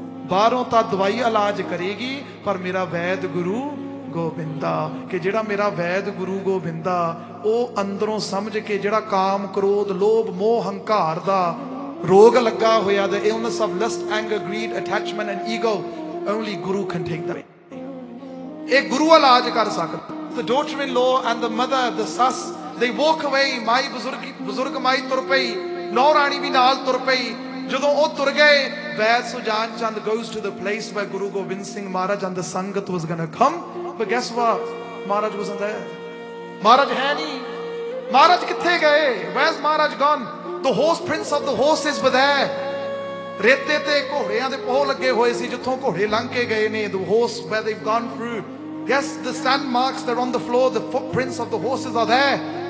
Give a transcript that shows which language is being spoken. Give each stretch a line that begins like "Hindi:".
Punjabi: ਬਾਹਰੋਂ ਤਾਂ ਦਵਾਈ ਇਲਾਜ ਕਰੇਗੀ, ਪਰ ਮੇਰਾ ਵੈਦ ਗੁਰੂ ਗੋਬਿੰਦਾ, ਕਿ ਜਿਹੜਾ ਮੇਰਾ ਵੈਦ ਗੁਰੂ ਗੋਬਿੰਦਾ ਉਹ ਅੰਦਰੋਂ ਸਮਝ ਕੇ, ਜਿਹੜਾ ਕਾਮ ਕ੍ਰੋਧ ਲੋਭ ਮੋਹ ਹੰਕਾਰ ਦਾ ਰੋਗ ਲੱਗਾ ਹੋਇਆ,
English: The illness of lust, anger, greed, attachment and ego, only Guru can take that.
Punjabi: ਇਹ ਗੁਰੂ ਇਲਾਜ ਕਰ ਸਕਦਾ.
English: The daughter-in-law and the mother, the sus, they walk away.
Punjabi: Mai buzurg mai tur pai, naurani bhi naal tur pai, ਜਦੋਂ ਉਹ ਤੁਰ ਗਏ
English: where Sujan Chand goes to the place where Guru Gobind Singh Maharaj and the sangat was going to come but guess what Maharaj wasn't there
Punjabi: ਮਹਾਰਾਜ ਹੈ ਨਹੀਂ ਮਹਾਰਾਜ ਕਿੱਥੇ ਗਏ
English: where Maharaj gone the host prince of the host is with their
Punjabi: ਰੇਤੇ ਤੇ ਘੋੜਿਆਂ ਦੇ ਪੋਹ ਲੱਗੇ ਹੋਏ ਸੀ ਜਿੱਥੋਂ ਘੋੜੇ ਲੰਘ ਕੇ ਗਏ ਨੇ
English: the host where they have gone through yes the sand marks they are on the floor the footprints of the host is are there